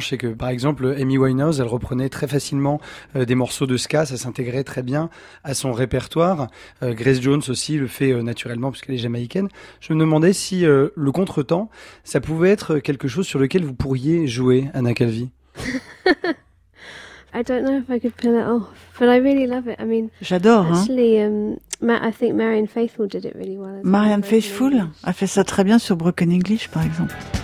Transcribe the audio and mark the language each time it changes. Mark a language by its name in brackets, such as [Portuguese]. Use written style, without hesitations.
[French] Je sais que, par exemple, Amy Winehouse, elle reprenait très facilement des morceaux de ska, ça s'intégrait très bien à son répertoire. Grace Jones aussi le fait naturellement, puisqu'elle est jamaïcaine. Je me demandais si le contretemps, ça pouvait être quelque chose sur lequel vous pourriez jouer, Anna Calvi. [English] I don't know if I could pull it off, but I really love it. I mean, [French] j'adore. [English] Actually, hein? I think Marianne Faithfull did it really well. [French] Marianne Faithfull a fait ça très bien sur Broken English, par exemple.